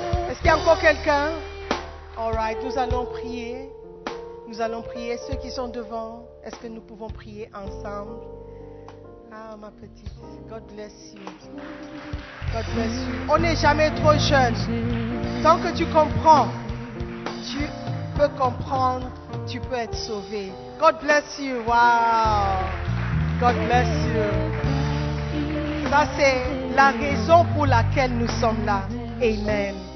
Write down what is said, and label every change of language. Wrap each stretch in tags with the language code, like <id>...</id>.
<fr>Est-ce qu'il y a encore quelqu'un?</fr> <en>All right,</en> <fr>nous allons prier. Nous allons prier. Ceux qui sont devant, est-ce que nous pouvons prier ensemble? Ah, ma petite,</fr> <en>God bless you. God bless you.</en> <fr>On n'est jamais trop jeune. Tant que tu comprends, tu peux comprendre, tu peux être sauvé.</fr> <en>God bless you. Wow. God bless you.</en> <fr>Ça, c'est la raison pour laquelle nous sommes là. Amen.</fr>